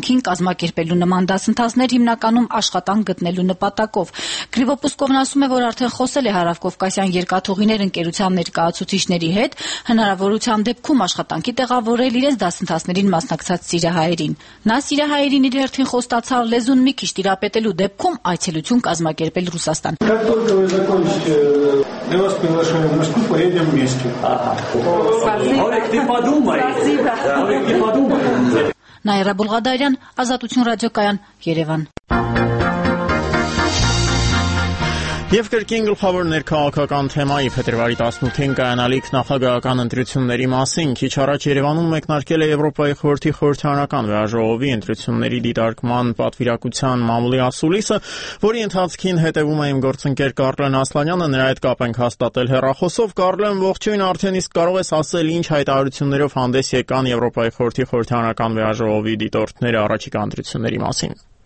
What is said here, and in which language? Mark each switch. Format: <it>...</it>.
<hy>կազմակերպելու նման դասընթացներ հիմնականում աշխատանք գտնելու նպատակով։ Կրիվոպուսկովն ասում է, որ արդեն խոսել է Հարավկովկասյան երկաթուղիներ ընկերության ներկայացուցիչների հետ, հնարավորության դեպքում աշխատանքի տեղավորել իրենց դասընթացներին մասնակցած Սիրիայերին։ Նա Սիրիայերին իր հերթին խոստացավ լեզուն մի քիչ տիրապետելու դեպքում այցելություն կազմակերպել Ռուսաստան։</hy> <ru>Как только вы закончите, мы вас приглашаем в Москву, поедем вместе. Спасибо. Олег, ты подумай. Спасибо. Олег, ты подумай.</ru> <hy>Наира Булгадарян, Азатություն Ռադիոկայան, Երևան. Եվ կրկին գլխավոր ներքաղաքական թեմայի փետրվարի 18-ին կայանալիք նախագահական ընտրությունների մասին, քիչ առաջ Երևանում մեկնարկել է Եվրոպայի խորհրդի խորհրդարանական վարժողովի ընտրությունների դիտարկման պատվիրակության մամուլի ասուլիսը, որի ընթացքին հետևում է իմ գործընկեր Կարլեն Ասլանյանը, նրա հետ կապենք հաստատել հեռախոսով։ Կարլեն, ողջույն, արդեն իսկ կարող ես ասել, ինչ հայտարարություններով հանդես եկան Եվրոպայի խորհրդի խորհրդարանական վարժողովի դիտորդները առաջիկա ընտրությունների մասին։</hy>